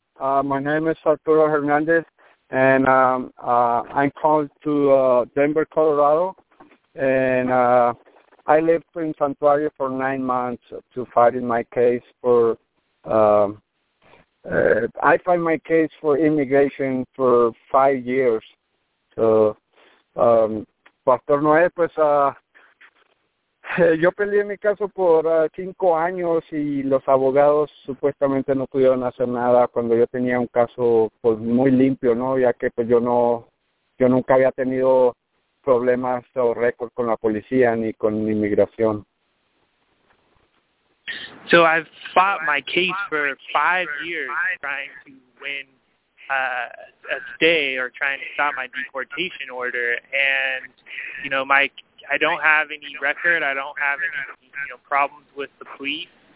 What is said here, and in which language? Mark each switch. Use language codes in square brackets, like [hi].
[en] My name is Arturo Hernandez, and I'm calling to Denver, Colorado, and I lived in Santuario for 9 months to fight in my case for, I fight my case for immigration for 5 years. [es] So, Pastor Noé, pues, yo peleé mi caso por 5 años y los abogados supuestamente no pudieron hacer nada cuando yo tenía un caso pues muy limpio, ¿no? Ya que pues yo nunca había tenido problemas o récord con la policía ni con inmigración. [en] So I've fought my case for 5 years trying to win a stay or trying to stop my deportation order, and you know, I don't have any record. I don't have any, you know, problems with the police.